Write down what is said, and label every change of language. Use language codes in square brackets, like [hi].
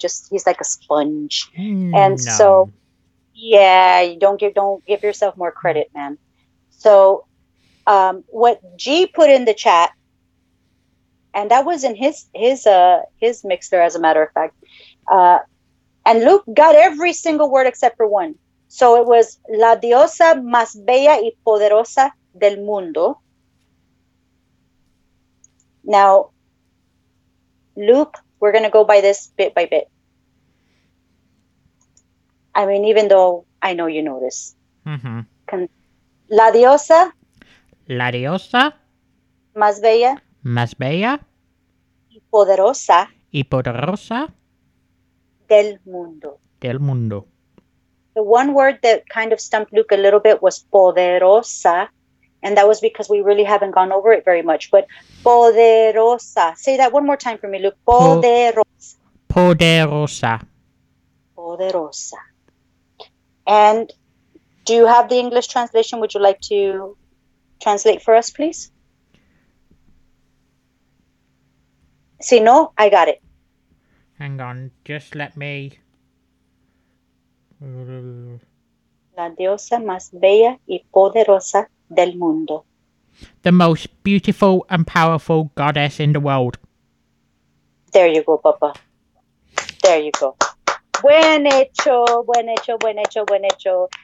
[en] Just he's like a sponge. And no. So, yeah, don't give yourself more credit, man. So what G put in the chat, and that was in his mixer, as a matter of fact. And Luke got every single word except for one. So it was [es] La diosa más bella y poderosa del mundo. [en] Now, Luke, we're going to go by this bit by bit. I mean, even though I know you know this. Mm-hmm. [es] La diosa. La diosa. Más bella. Más bella. Poderosa. Y poderosa. Del mundo. Del mundo. [en] The one word that kind of stumped Luke a little bit was poderosa. And that was because we really haven't gone over it very much. But poderosa. Say that one more time for me, Luke. [es] Poderosa. Poderosa. [en] Poderosa. And do you have the English translation? Would you like to translate for us, please? [es] Si no, [en] I got it. Hang on, just let me. [es] La diosa más bella y poderosa del mundo. [en] The most beautiful and powerful goddess in the world. There you go, Papa. There you go. [es] Buen hecho, buen hecho, buen hecho, buen hecho.